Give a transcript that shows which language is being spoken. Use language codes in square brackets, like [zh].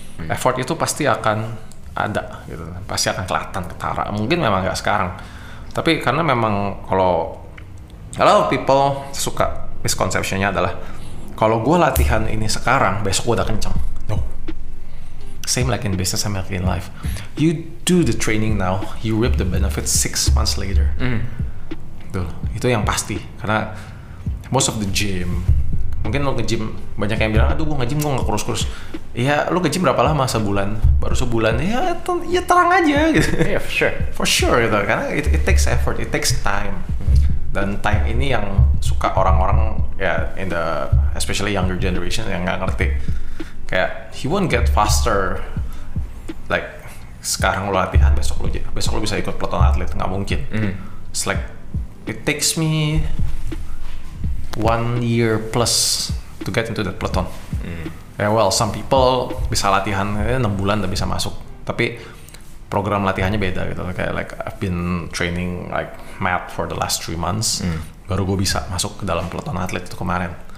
[id] Effort itu pasti akan ada, gitu. Pasti akan kelihatan ketara. Mungkin memang nggak sekarang, tapi karena memang kalau [en] a lot of people [id] suka misconceptionnya adalah kalau gue latihan ini sekarang, besok gue udah kencang. No. [en] same like in business, same like in life. You do the training now, you reap the benefits 6 months later. [id] Tuh, itu yang pasti. Karena most of the gym, mungkin lo nge-gym, banyak yang bilang, aduh gue nge-gym, gue gak kurus-kurus. Ya, lo nge-gym berapa lama? Sebulan? Baru sebulan? Ya, ya terang aja gitu. [en] Yeah, for sure. [id] For sure gitu, karena [en] it takes effort, it takes time. [id] Dan time ini yang suka orang-orang, ya, [en] in the especially younger generation [id] yang gak ngerti. Kayak, [en] he won't get faster. [id] Like, sekarang lo latihan, besok lo bisa ikut peloton atlet, gak mungkin. [en] It's like, it takes me 1 year plus to get into that peloton. [id] Yeah, well, some people bisa latihan 6 bulan udah bisa masuk. Tapi program latihannya beda gitu. Kayak [en] like I've been training like mad for the last 3 months. [id] Baru gue bisa masuk ke dalam peloton atlet itu kemarin.